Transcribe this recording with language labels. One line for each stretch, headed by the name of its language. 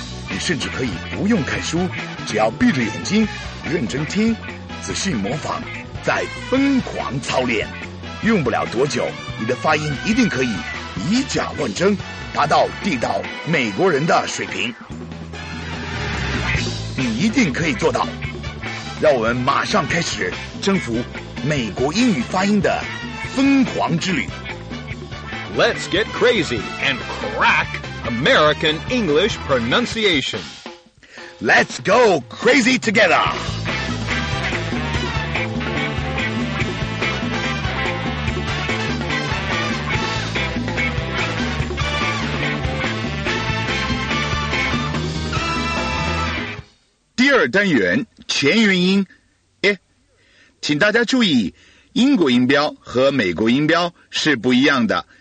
Chinese: 你甚至可以不用看书只要闭着眼睛认真听仔细模仿再疯狂操练用不了多久你的发音一定可以以假乱真达到地道美国人的水平你一定可以做到让我们马上开始征服美国英语发音的疯狂之旅
English: Let's get crazy and crack American English pronunciation Let's go crazy together
Chinese: 第二单元前元音，哎，请大家注意，英国音标和美国音标是不一样的。